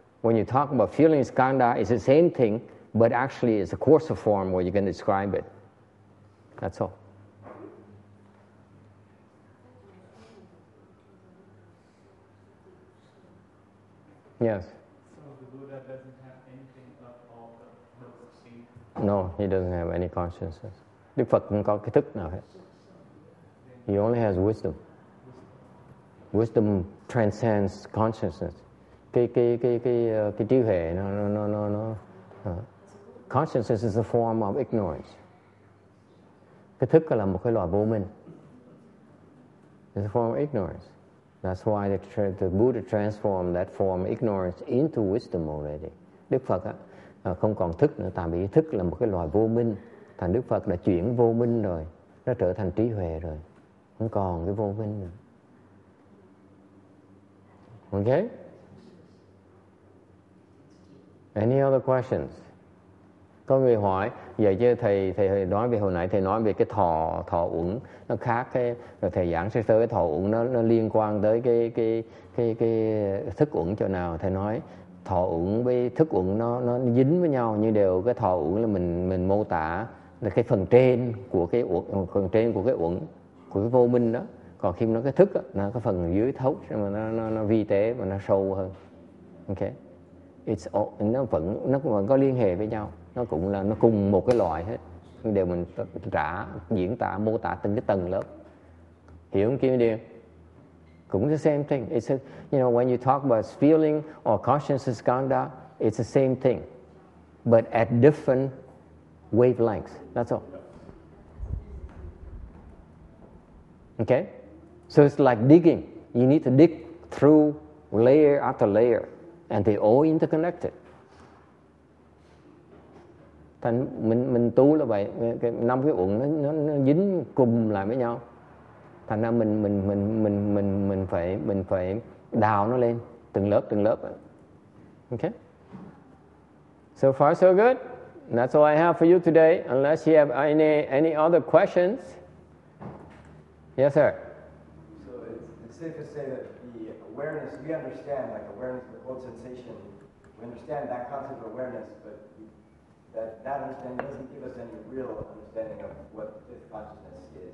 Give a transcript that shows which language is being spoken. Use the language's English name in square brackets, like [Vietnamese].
[English] When you talk about feeling skanda, it's the same thing. But actually, it's a coarser form where you can describe it. That's all. Yes. So the Buddha doesn't have anything of all the notes of seeing? No, he doesn't have any consciousness. [Vietnamese] Đức Phật không có cái thức nào hết. [English] He only has wisdom. Wisdom transcends consciousness. [Vietnamese] Cái trí huệ nó. [English] Consciousness is a form of ignorance. [Vietnamese] Cái thức là một cái loại vô minh. [English] It's a form of ignorance. That's why the Buddha transformed that form of ignorance into wisdom already. [Vietnamese] Đức Phật á không còn thức nữa, tại vì thức là một cái loại vô minh. Thành Đức Phật đã chuyển vô minh rồi, nó trở thành trí huệ rồi. Không còn cái vô minh nữa. [English] Okay? Any other questions? [Vietnamese] Có người hỏi, vậy chứ thầy nói về hồi nãy, thầy nói về cái thọ uẩn nó khác cái, rồi thầy giảng sơ sơ cái thọ uẩn nó liên quan tới cái thức uẩn chỗ nào. Thầy nói thọ uẩn với thức uẩn nó dính với nhau, như đều cái thọ uẩn là mình mô tả là cái phần trên của cái uẩn, phần trên của cái uẩn, của cái vô minh đó. Còn khi nó cái thức đó, nó có phần dưới thấu, mà nó vi tế và nó sâu hơn. [English] Okay, it's all, [Vietnamese] nó vẫn có liên hệ với nhau, nó cũng là nó cùng một cái loại hết, nhưng đều mình diễn tả mô tả từng cái tầng lớp, hiểu không kia đi? [English] Cũng the same thing. It's a, you know, when you talk about feeling or consciousness kanda, it's the same thing, but at different wavelengths. That's all. Okay? So it's like digging. You need to dig through layer after layer, and they all interconnected. [Vietnamese] Thành mình tu là vậy, năm cái uẩn nó dính cùng lại với nhau. Thành ra mình phải đào nó lên từng lớp. [English] Okay? So far so good. That's all I have for you today, unless you have any other questions. Yes, sir. So it's safe to say that the awareness, we understand like awareness of the whole sensation, we understand that concept of awareness, but that understanding doesn't give us any real understanding of what fifth consciousness is.